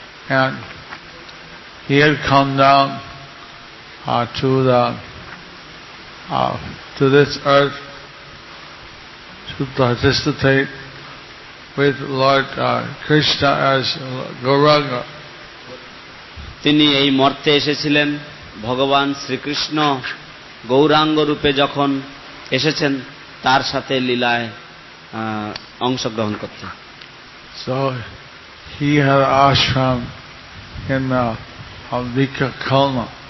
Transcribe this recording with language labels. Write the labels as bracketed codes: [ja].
[en] And he had come down to this earth to participate with Lord Krishna as Gauranga. [bn] তিনি এই মর্তে এসেছিলেন ভগবান শ্রীকৃষ্ণ গৌরাঙ্গ রূপে যখন এসেছেন তার সাথে লীলায় অংশগ্রহণ করতে। [en] So he had ashram in Ambika Kalna.